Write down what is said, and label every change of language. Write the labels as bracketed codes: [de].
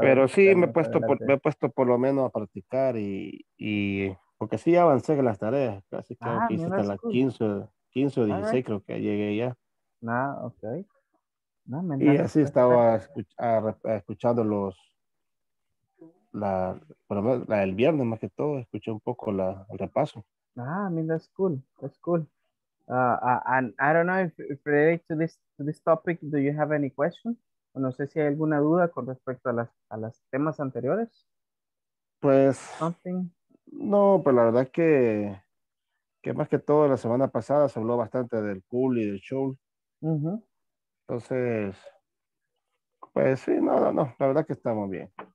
[es] Pero sí, me he puesto por lo menos a practicar y porque sí avancé en las tareas, casi creo que hice hasta las 15 o 16, [en] right. [es] Creo que llegué ya. [en] Okay. [es] Y así estaba escuchando la el viernes más que todo, escuché un poco el repaso. [en] That's cool. And I don't know if related to this topic, do you have any question? [es] O no sé si hay alguna duda con respecto a las temas anteriores. Pues... [en] Something? [es] No, pero la verdad que más que todo la semana pasada se habló bastante del pool y del show. Uh-huh. Entonces, pues sí, no, la verdad que estamos bien.